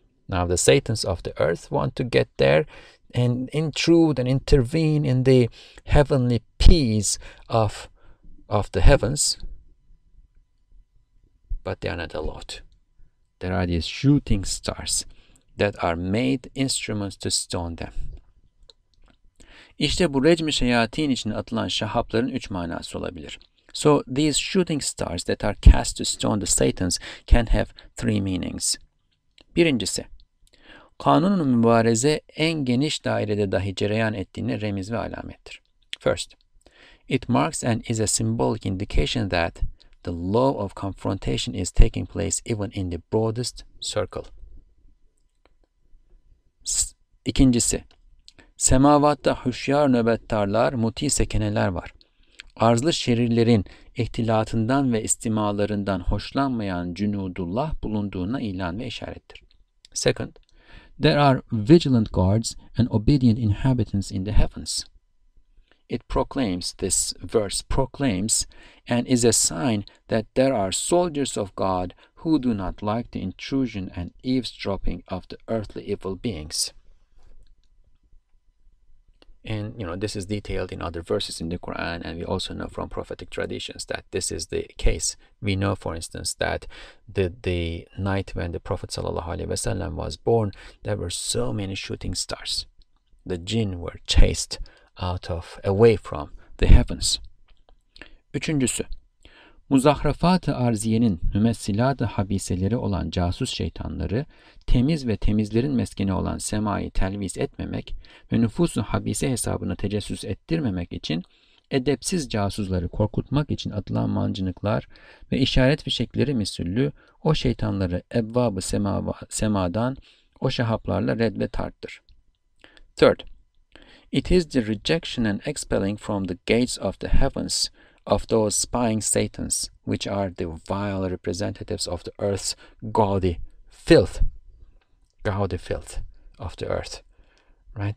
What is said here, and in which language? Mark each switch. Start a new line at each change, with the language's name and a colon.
English: Now the Satans of the earth want to get there and intrude and intervene in the heavenly peace of the heavens. But they are not allowed. There are these shooting stars that are made instruments to stone them.
Turkish: İşte bu rejim-i şeyatin için atılan şahapların üç manası olabilir.
English: So these shooting stars that are cast to stone the Satans can have three meanings.
Turkish: Birincisi, kanun-u mübareze en geniş dairede dahi cereyan ettiğine remiz ve alamettir.
English: First, it marks and is a symbolic indication that the law of confrontation is taking place even in the broadest circle.
Turkish: İkincisi, semavatta hüşyar nöbettarlar, muti sekeneler var. Arzlı şerirlerin ihtilatından ve istimalarından hoşlanmayan cünudullah bulunduğuna ilan ve işarettir.
English: Second, There are vigilant guards and obedient inhabitants in the heavens. It proclaims, this verse proclaims, and is a sign that there are soldiers of God who do not like the intrusion and eavesdropping of the earthly evil beings. And, you know, this is detailed in other verses in the Quran, and we also know from prophetic traditions that this is the case. We know, for instance, that the night when the Prophet ﷺ was born, there were so many shooting stars. The jinn were chased away from the heavens.
Turkish: Üçüncüsü, muzahrafat-ı arziyenin mümessilat-ı habiseleri olan casus şeytanları, temiz ve temizlerin meskeni olan semayı telvis etmemek ve nüfus-ı habise hesabını tecessüs ettirmemek için, edepsiz casusları korkutmak için atılan mancınıklar ve işaret fişekleri misullü o şeytanları ebvab-ı semadan o şahaplarla red ve tarttır.
English: Third, it is the rejection and expelling from the gates of the heavens of those spying satans, which are the vile representatives of the earth's gaudy filth of the earth. Right?